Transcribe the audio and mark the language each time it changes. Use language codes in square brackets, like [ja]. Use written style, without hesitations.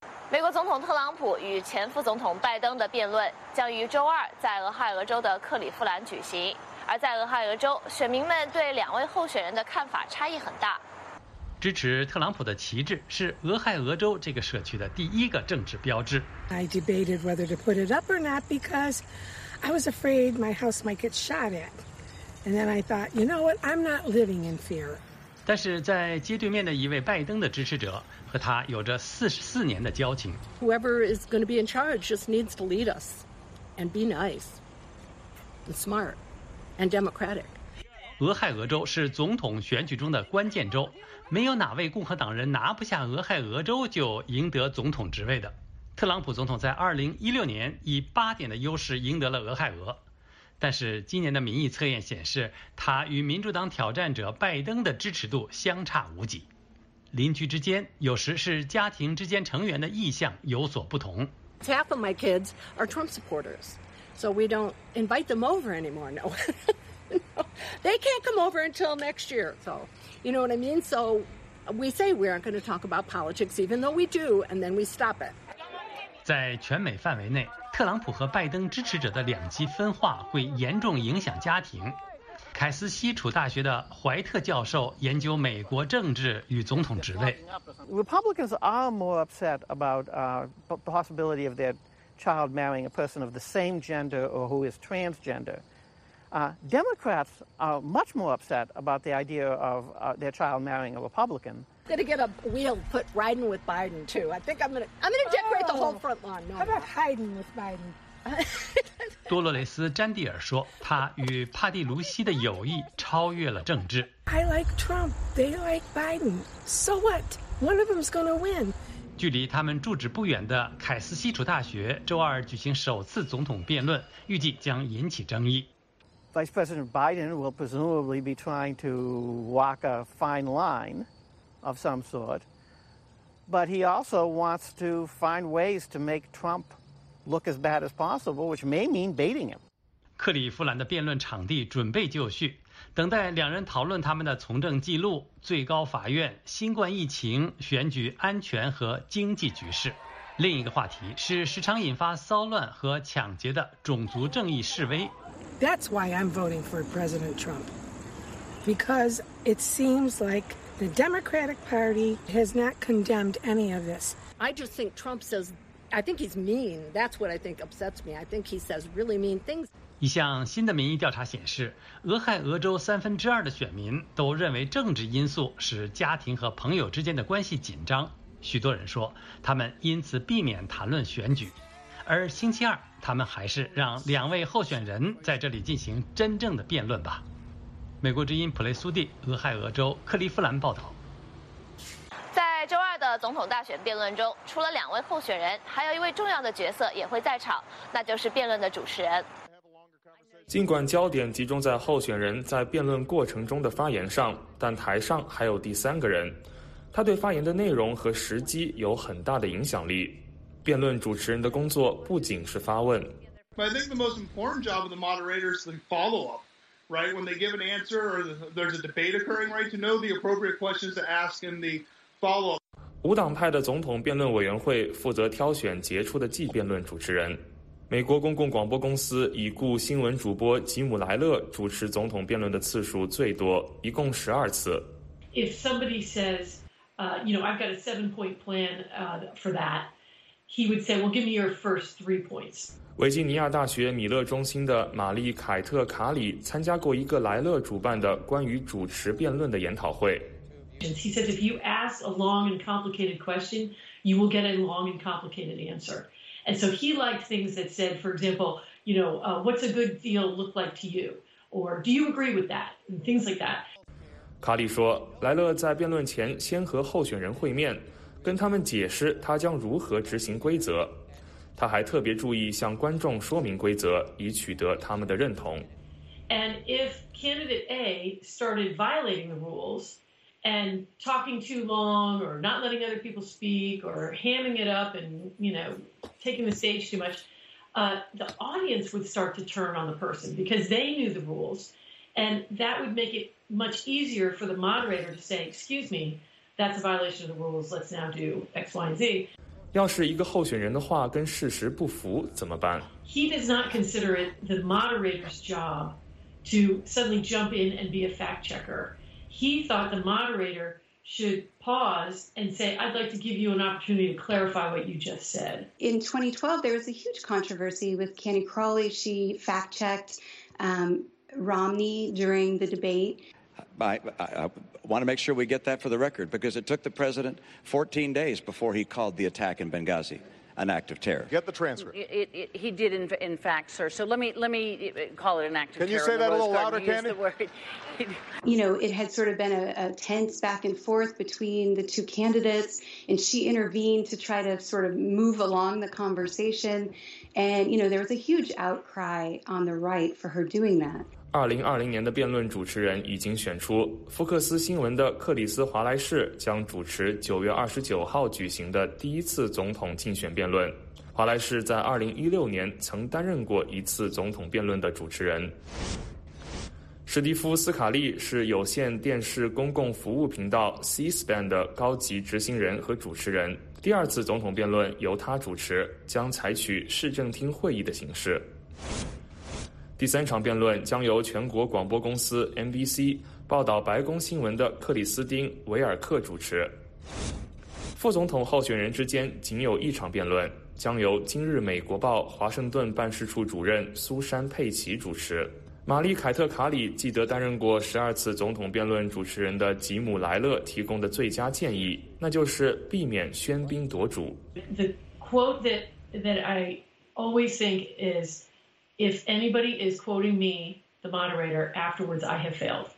[zh] 美国总统特朗普与前副总统拜登的辩论将于周二在俄亥俄州的克利夫兰举行，而在俄亥俄州，选民们对两位候选人的看法差异很大。支持特朗普的旗帜是俄亥俄州这个社区的第一个政治标志。 [en] I debated whether to put it up or not because I was afraid my house might get shot at. And then I thought, you know what? I'm not living in fear. [zh] 但是在街对面的一位拜登的支持者和他有着44年的交情。 [en] Whoever is going to be in charge just needs to lead us and be nice and smart and democratic. [zh] 俄亥俄州是总统选举中的关键州。没有哪位共和党人拿不下俄亥俄州就赢得总统职位的。特朗普总统在2016年以8%的优势赢得了俄亥俄，但是今年的民意测验显示，他与民主党挑战者拜登的支持度相差无几。邻居之间，有时是家庭之间成员的意向有所不同。 [en] Half of my kids are Trump supporters, so we don't invite them over anymore. No, they can't come over until next year. So. You know what I mean? So we say we aren't going to talk about politics, even though we do, and then we stop it. [zh] 在全美范围内，特朗普和拜登支持者的两极分化会严重影响家庭。凯斯西楚大学的怀特教授研究美国政治与总统职位。 [en] Republicans are more upset about the possibility of their child marrying a person of the same gender or who is transgender. Democrats are much more upset about the idea of their child marrying a Republican. I'm going to get a wheel put riding with Biden, too. I think I'm going to decorate the whole front lawn. No, how about hiding with Biden? [zh] 多洛雷斯·詹蒂尔说，他与帕蒂·卢西的友谊超越了政治。 [en] I like Trump. They like Biden. So what? One of them is going to win. [zh] 距离他们住址不远的凯斯西楚大学周二举行首次总统辩论，预计将引起争议。 [en] Vice President Biden will presumably be trying to walk a fine line of some sort, but he also wants to find ways to make Trump look as bad as possible, which may mean baiting him. [zh] 克利夫兰的辩论场地准备就绪，等待两人讨论他们的从政记录、最高法院、新冠疫情、选举安全和经济局势。另一个话题是时常引发骚乱和抢劫的种族正义示威。 [en] That's why I'm voting for President Trump. Because it seems like the Democratic Party has not condemned any of this. I just think Trump says, I think he's mean. That's what I think upsets me. I think he says really mean things. [zh] 一项新的民意调查显示，俄亥俄州2/3的选民都认为政治因素使家庭和朋友之间的关系紧张。许多人说，他们因此避免谈论选举。而星期二，他们还是让两位候选人在这里进行真正的辩论吧。美国之音普雷苏蒂，俄亥俄州克利夫兰报道。在周二的总统大选辩论中，除了两位候选人，还有一位重要的角色也会在场，那就是辩论的主持人。尽管焦点集中在候选人在辩论过程中的发言上，但台上还有第三个人，他对发言的内容和时机有很大的影响力。辩论主持人的工作不仅是发问。 [en] But I think the most important job of the moderator is the follow-up. right, when they give an answer or there's a debate occurring, right, to know the appropriate questions to ask in the follow-up. [zh] 无党派的总统辩论委员会负责挑选杰出的季辩论主持人。美国公共广播公司已故新闻主播吉姆·莱勒主持总统辩论的次数最多，一共12次。 [en] If somebody says, you know, I've got a 7-point plan for that, he would say, well, give me your first 3 points. [zh] 维吉尼亚大学米勒中心的玛丽·凯特·卡里参加过一个莱勒主办的关于主持辩论的研讨会。 [en] He says, if you ask a long and complicated question, you will get a long and complicated answer. And so he liked things that said, for example, you know, what's a good deal look like to you? Or do you agree with that? And things like that. [zh] 卡里说，莱勒在辩论前先和候选人会面，跟他们解释他将如何执行规则。他还特别注意向观众说明规则，以取得他们的认同。 [en] And if candidate A started violating the rules,and talking too long, or not letting other people speak, or hamming it up and, you know, taking the stage too much, the audience would start to turn on the person because they knew the rules. And that would make it much easier for the moderator to say, excuse me, that's a violation of the rules, let's now do X, Y, and Z. [zh] 要是一个候选人的话跟事实不符怎么办？ [en] He does not consider it the moderator's job to suddenly jump in and be a fact checker. He thought the moderator should pause and say, I'd like to give you an opportunity to clarify what you just said. In 2012, there was a huge controversy with Candy Crowley. She fact-checked Romney during the debate. I want to make sure we get that for the record, because it took the president 14 days before he called the attack in Benghazi an act of terror. Get the transcript. He did, in fact, sir. So let me call it an act of terror. Can you say that a little louder, Candy? You know, it had sort of been a tense back and forth between the two candidates, and she intervened to try to sort of move along the conversation. And, you know, there was a huge outcry on the right for her doing that. [zh] 2020年的辩论主持人已经选出，福克斯新闻的克里斯·华莱士将主持9月29号举行的第一次总统竞选辩论。华莱士在2016年曾担任过一次总统辩论的主持人。史蒂夫·斯卡利是有线电视公共服务频道 C-SPAN 的高级执行人和主持人。第二次总统辩论由他主持，将采取市政厅会议的形式。第三场辩论将由全国广播公司 NBC 报道白宫新闻的克里斯汀·维尔克主持。副总统候选人之间仅有一场辩论，将由《今日美国报》华盛顿办事处主任苏珊·佩奇主持。玛丽·凯特·卡里记得担任过12次总统辩论主持人的吉姆·莱勒提供的最佳建议，那就是避免喧宾夺主。 [en] The quote that I always think is, if anybody is quoting me, the moderator, afterwards I have failed.